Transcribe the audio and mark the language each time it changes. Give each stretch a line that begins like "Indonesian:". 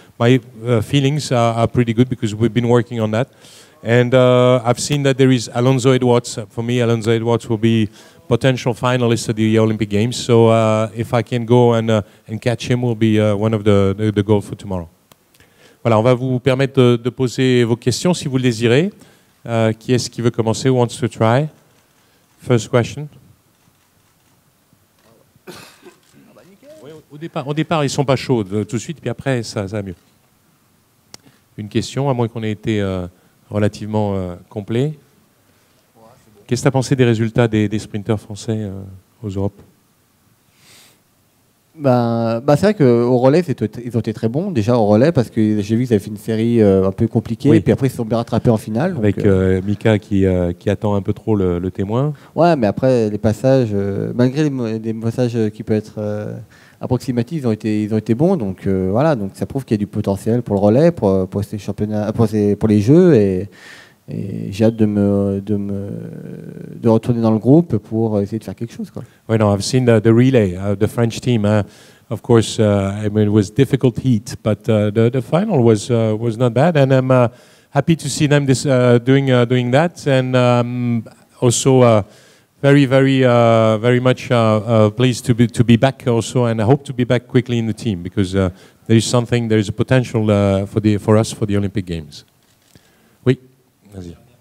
English: My feelings are pretty good because we've been working on that. And I've seen that there is Alonso Edwards. For me, Alonso Edwards will be potential finalist at the Olympic Games. So if I can go and catch him, will be one of the goals for tomorrow.
French: Voilà, on va vous permettre de poser vos questions si vous le désirez. Qui est-ce qui veut commencer?
English: Who wants to try? First question.
French: Au départ, ils ne sont pas chauds tout de suite, puis après, ça va mieux. Une question, à moins qu'on ait été relativement complet. Qu'est-ce que tu as pensé des résultats des sprinteurs français aux Europes? Ben, c'est vrai qu'au relais, ils ont été très bons, déjà au relais, parce que j'ai vu qu'ils avaient fait une série un peu compliquée, oui. Et puis après, ils se sont bien rattrapés en finale. Avec Mika qui attend un peu trop le témoin. Ouais, mais après, les passages, malgré les passages qui peuvent être... approximatifs, ils ont été bons, donc voilà, donc ça prouve qu'il y a du potentiel pour le relais, pour ces championnats, pour les jeux, et j'ai hâte de retourner dans le groupe pour essayer de faire quelque chose. Oui, non,
English: I've seen the relay, the French team. Of course, I mean, it was difficult heat, but the final was not bad, and I'm happy to see them doing that, and also. Very, very, very much pleased to be back also, and I hope to be back quickly in the team because there is something, there is a potential for us for the Olympic Games.
French: Oui, vas-y.